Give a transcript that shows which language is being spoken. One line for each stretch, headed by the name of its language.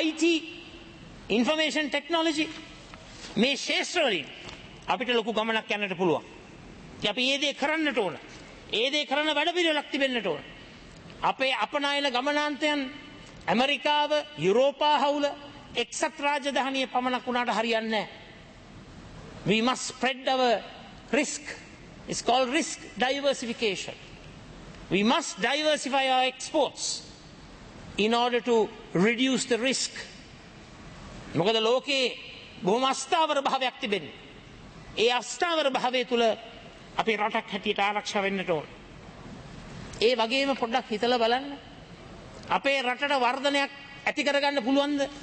Sinhala: IT, information technology මේ ශාස්ත්‍ර වලින් අපිට ලොකු ගමනක් යන්නට පුළුවන්. අපි මේ දේ කරන්නට ඕන. ඒදේ කරන වැඩපිළිවෙලක් තිබෙන්නට ඕන. අපේ අපනායන ගමනාන්තයන් ඇමරිකාව, යුරෝපා හවුල, එක්සත් රාජධානිය පමණක් වුණාට හරියන්නේ නැහැ.
English: We must spread our risk. It's called risk diversification. We must diversify our exports in order to reduce the risk.
Sinhala: මොකද ලෝකේ බොහොම අස්ථාවර භාවයක් තිබෙන්නේ. ඒ අස්ථාවර භාවය තුළ අපේ රටක් හැටියට ආරක්ෂා වෙන්නට ඕන. ඒ වගේම පොඩ්ඩක් හිතලා බලන්න, අපේ රටට වර්ධනයක් ඇති කරගන්න පුළුවන්ද?